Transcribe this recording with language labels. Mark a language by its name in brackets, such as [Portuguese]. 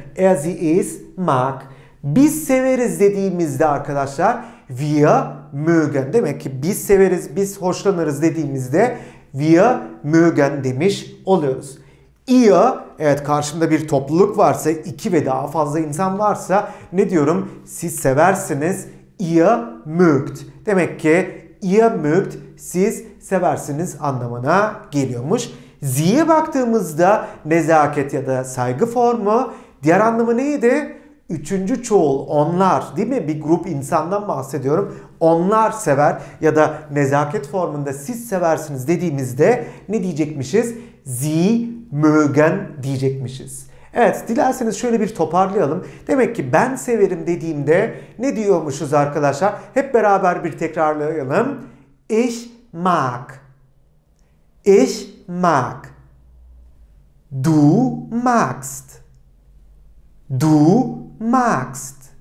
[German] Er, sie, es, mag. [Turkish] Biz severiz dediğimizde arkadaşlar [German] wir mögen. [Turkish] Demek ki biz severiz, biz hoşlanırız dediğimizde [German] wir mögen [Turkish] demiş oluyoruz. Ihr, evet karşımda bir topluluk varsa, iki ve daha fazla insan varsa ne diyorum? Siz seversiniz, [German] ihr mögt. [Turkish] Demek ki [German] ihr mögt, [Turkish] siz seversiniz anlamına geliyormuş. Sie'ye baktığımızda nezaket ya da saygı formu, diğer anlamı neydi? Üçüncü çoğul, onlar, değil mi? Bir grup insandan bahsediyorum. Onlar sever ya da nezaket formunda siz seversiniz dediğimizde ne diyecekmişiz? [German] Sie mögen [Turkish] diyecekmişiz. Evet, dilerseniz şöyle bir toparlayalım. Demek ki ben severim dediğimde ne diyormuşuz arkadaşlar? Hep beraber bir tekrarlayalım. [German] Ich mag. Ich mag. Du magst. Du magst.